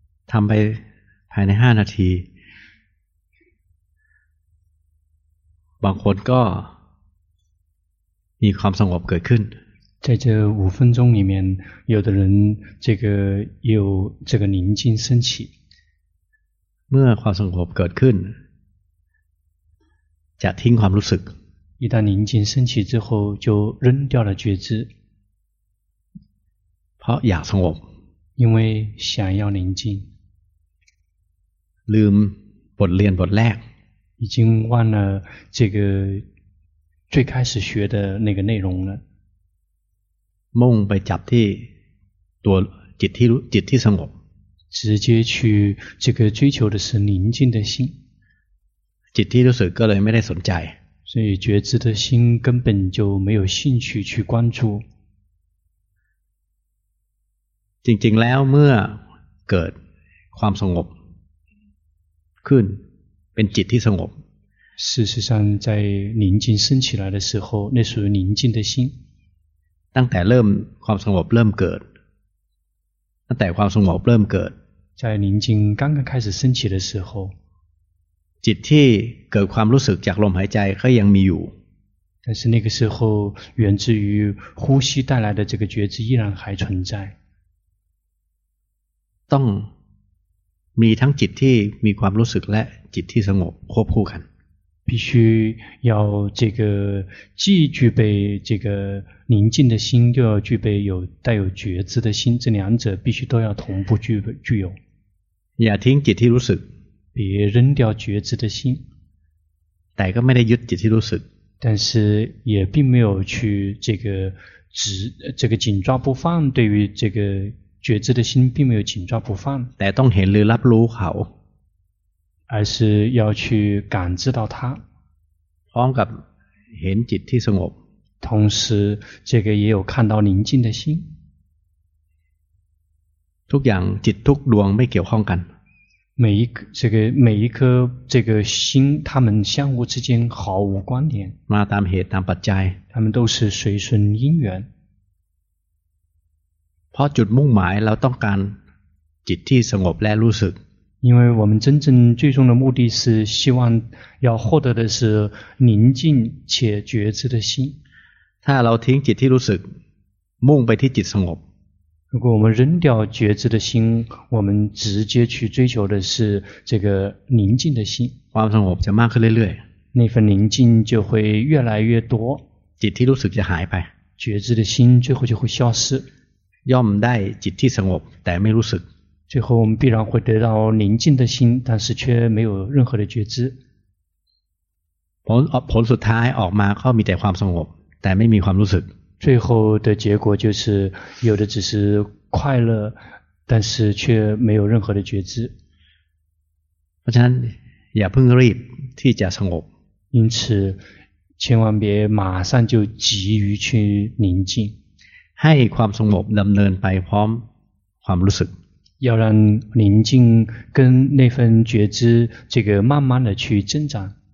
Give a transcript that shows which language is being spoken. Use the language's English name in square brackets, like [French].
[Thai] ทำไปภายใน5นาทีบางคนก็มีความสงบเกิดขึ้น [Chinese] 在这5分钟里面有的人这个有这个宁静升起 [Thai] เมื่อความสงบเกิดขึ้นจะทิ้งความรู้สึก [Chinese] 一旦宁静升起之后就扔掉了觉知 [Thai] เพราะอยากสงบ [Chinese] 因为想要宁静 [Thai] ลืมบทเรียนบทแรก [Chinese] 已经忘了这个最开始学的那个内容了 [Thai] มุ่งไปจับที่ตัวจิตที่สงบ [Chinese] 直接去这个追求的是宁静的心 [Thai] จิตที่รู้สึกก็เลยไม่ได้สนใจ [Chinese] 所以觉知的心根本就没有兴趣去关注 [Thai] จริงๆแล้วเมื่อเกิดความสงบขึ้นเป็นจิตที่สงบ [Chinese] 事实上在宁静升起来的时候那属于宁静的心 [Thai] ตั้งแต่เริ่มความสงบเริ่มเกิดตั้งแต่ความสงบเริ่มเกิด [Chinese] 在宁静刚刚开始升起的时候 [Thai] จิตที่เกิดความรู้สึกจากลมหายใจก็ยังมีอยู่ [Chinese] 但是那个时候源自于呼吸带来的这个觉知依然还存在 [Thai] ต้องมีทั้งจิตที่มีความรู้สึกและจิตที่สงบควบคู่กัน [Chinese] 必须要这个既具备这个宁静的心又要具备有带有觉知的心这两者必须都要同步具有 [Thai] อย่าทิ้งจิตที่รู้สึก [Chinese] 别扔掉觉知的心 [Thai] แต่ก็ไม่ได้ยึดจิตที่รู้สึก [Chinese] 但是也并没有去这个这个紧抓不放对于这个觉知的心并没有紧抓不放 [Thai] แต่ต้องเห็นหรือรับรู้เขา [Chinese] 而是要去感知到它 [Thai] พร้อมกับเห็นจิตที่สงบ [Chinese] 同时这个也有看到宁静的心 [Thai] ทุกอย่างจิตทุกดวงไม่เกี่ยวข้องกัน [Chinese] 每一颗这个心它们相互之间毫无关联 [Thai] มาตามเหตุตามปัจจัย [Chinese] 它们都是随顺因缘 [Thai] เพราะจุดมุ่งหมายเราต้องการจิตที่สงบและรู้สึก [Chinese] 因为我们真正最终的目的是希望要获得的是宁静且觉知的心 [Thai] ถ้าเราทิ้งจิตที่รู้สึกมุ่งไปที่จิตสงบ [Chinese] 如果我们扔掉觉知的心我们直接去追求的是这个宁静的心 [Thai] ความสงบจะมากขึ้นเรื่อย [Chinese] ๆ那份宁静就会越来越多 [Thai] จิตที่รู้สึกจะหายไป [Chinese] 觉知的心最后就会消失 [Thai] ย่อมได้จิตที่สงบแต่ไม่รู้สึก [Chinese] 最后我们必然会得到宁静的心但是却没有任何的觉知 [Thai] ผลสุดท้ายออกมาก็มีแต่ความสงบแต่ไม่มีความรู้สึก [Chinese] 最后的结果就是有的只是快乐但是却没有任何的觉知 [Thai] เพราะฉะนั้นอย่าเพิ่งรีบที่จะสงบ [Chinese] 因此千万别马上就急于去宁静 [Thai] ให้ความสงบดำเนินไปพร้อมความรู้สึก [Chinese] 要让宁静跟那份觉知这个慢慢的去增长